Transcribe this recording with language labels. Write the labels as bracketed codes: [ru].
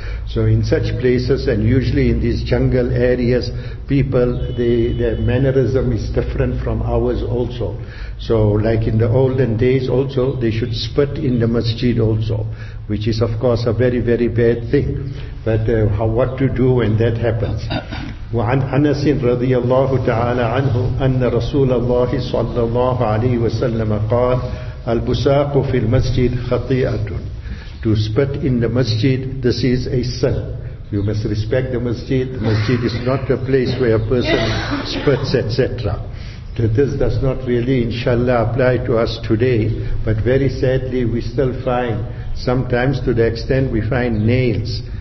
[en] So in such places, and usually in these jungle areas, people, their mannerism is different from ours also. So like in the olden days also, they should spit in the masjid also, which is of course a very, very bad thing. But what to do when that happens? [ar] وعن أنس رضي الله تعالى عنه أن رسول الله صلى الله عليه وسلم قال البساق في المسجد خطيئة. [en] To spit in the masjid, this is a sin. You must respect the masjid. The masjid is not a place where a person spits, etc. This does not really, inshallah, apply to us today. But very sadly, we still find, sometimes to the extent we find nails.